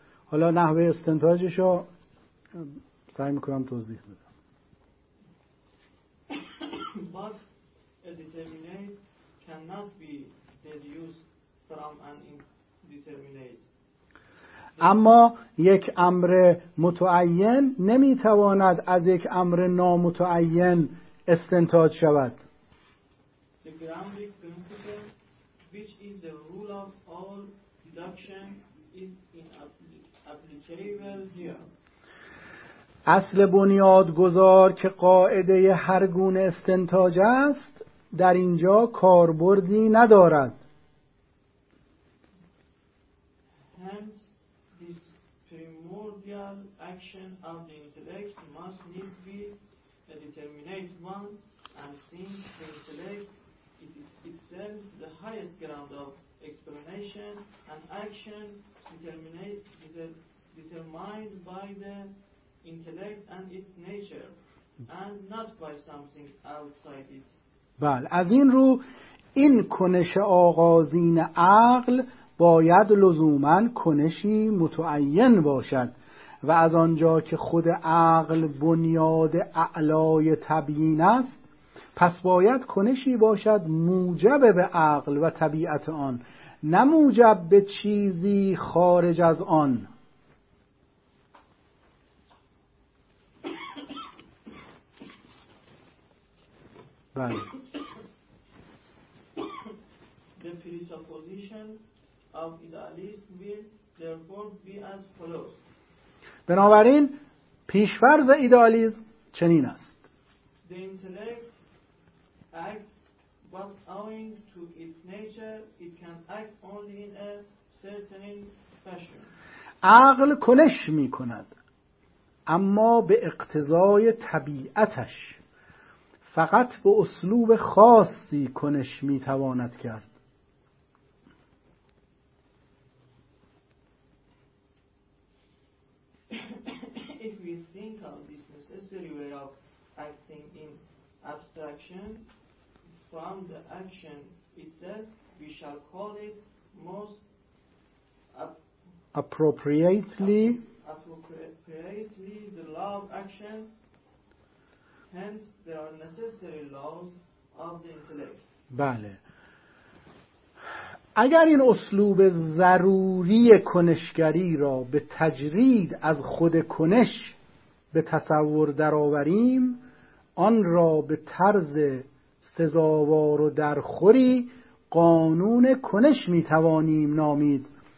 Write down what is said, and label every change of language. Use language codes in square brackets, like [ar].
[fa] حالا نحوه استنتاجشو سعی میکنم توضیح بدم. [en] But a determinate cannot be deduced from an indeterminate. [fa] اما یک امر متعین نمیتواند از یک امر نامتعین استنتاج شود. [en] The Gramscian principle, which is the rule of all deduction, is inapplicable here. [fa] اصل بنیادگذار که قاعده هر گونه استنتاج است در اینجا کاربردی ندارد. [en] Hence this primordial action of the intellect must need be a determinate one, and since the intellect it is itself the highest ground of explanation and action determined by the intellect and its nature and not by something outside it. [fa] بله، از این رو این کنش آغازین عقل باید لزوماً کنشی متعین باشد، و از آنجا که خود عقل بنیاد اعلای تبیین است، پس باید کنشی باشد موجب به عقل و طبیعت آن، نه موجب به چیزی خارج از آن. [en] The presupposition of idealism will therefore be as follows. [fa] بنابراین پیشفرض ایدالیسم چنین است. [en] The intellect acts but owing to its nature it can act only in a certain fashion. [fa] عقل کنش می کند اما به اقتضای طبیعتش، فقط به اسلوب خاصی کنش میتواند کرد. [en] If we think of this necessary way of acting in abstraction from the action itself, we shall call it most appropriately the law of action. Hence, there are necessary laws of the intellect. [fa] بله. اگر این اسلوب ضروری کنشگری را به تجرید از خود کنش به تصور درآوریم، آن را به طرز سزاوار و درخوری قانون کنش میتوانیم نامید.